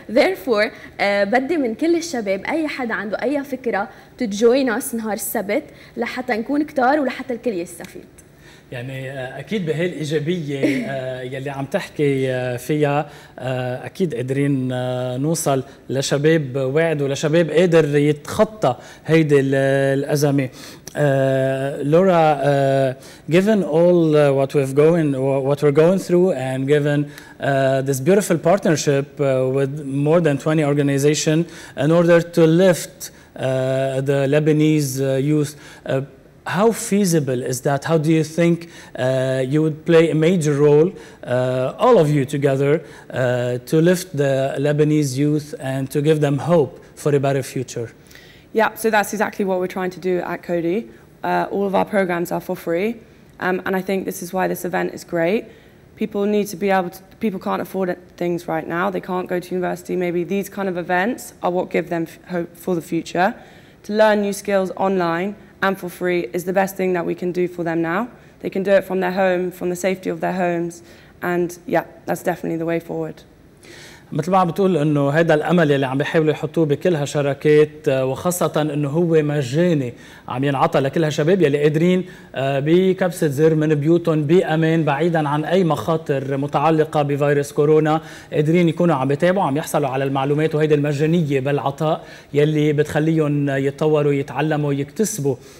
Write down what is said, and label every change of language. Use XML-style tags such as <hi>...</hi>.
<ar>Therefore بدي من كل الشباب أي حدا عنده أي فكرة</ar> <en>to join us</en> <ar>نهار السبت لحتى نكون كتار ولحتى الكل يستفيد. يعني أكيد بهالإيجابية يلي عم تحكي فيها أكيد قادرين نوصل لشباب واعد ولشباب قادر يتخطى هيدي الأزمة.</ar> <en>Laura, given all what we're going through, and given this beautiful partnership with more than 20 organizations in order to lift the Lebanese youth, how feasible is that? How do you think you would play a major role, all of you together, to lift the Lebanese youth and to give them hope for a better future? Yeah, so that's exactly what we're trying to do at CODI. All of our programs are for free, and I think this is why this event is great. People need to be able to, people can't afford things right now. They can't go to university. Maybe these kind of events are what give them hope for the future. To learn new skills online and for free is the best thing that we can do for them now. They can do it from their home, from the safety of their homes, and yeah, that's definitely the way forward.</en> <ar>مثل ما عم بتقول انه هذا الامل اللي عم بيحاولوا يحطوه بكل هالشركات وخاصه انه هو مجاني عم ينعطى لكل هالشباب يلي قادرين بكبسه زر من بيوتهم بامان بعيدا عن اي مخاطر متعلقه بفيروس كورونا، قادرين يكونوا عم يتابعوا عم يحصلوا على المعلومات، وهيدي المجانيه بالعطاء يلي بتخليهم يتطوروا يتعلموا يكتسبوا.</ar>